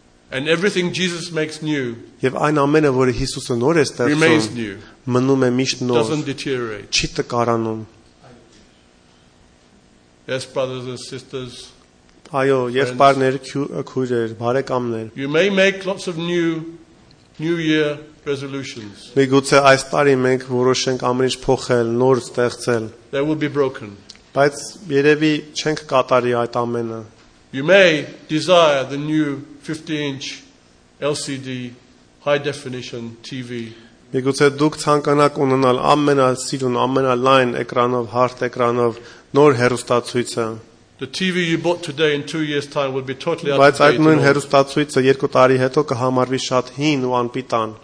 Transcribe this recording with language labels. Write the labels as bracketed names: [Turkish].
[English] And everything Jesus makes new. [Armenian] Եվ այն ամենը, որը Հիսուսը նոր է ստեղծում, [English] remains new. [Armenian] Մնում է միշտ նոր. [English] Doesn't deteriorate. [Armenian] Չի տկարանում. [English] Yes, brothers and sisters. [Armenian] Այո, եղբայրներ, քույրեր, բարեկամներ. [English] You may make lots of new year resolutions. [Armenian] Մի գուցե այս տարի մենք որոշենք ամեն ինչ փոխել, նոր ստեղծել. [English] They will be broken. [Armenian] Բայց երևի չենք կատարի այդ ամենը. [English] You may desire the new 50-inch LCD high definition TV. [Armenian] Մի գուցե դուք ցանկանաք ունենալ ամենասիրուն, ամենալայն էկրանով, հարթ էկրանով նոր հեռուստացույցը. [English] The TV you bought today in 2 years' time would be totally out of date.